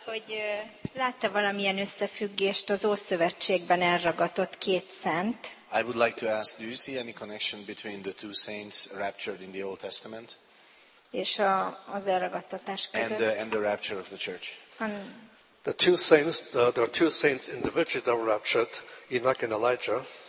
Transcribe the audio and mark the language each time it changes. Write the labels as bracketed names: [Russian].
[Hungarian] Hogy látta valamilyen összefüggést az Ószövetségben elragadott két szent? [English] I would like to ask, do you see any connection between the two saints raptured in the Old Testament? [Hungarian] És az elragadtatás között. [English] And the rapture of the church. The two saints, there are two saints individually that were raptured, Enoch and Elijah.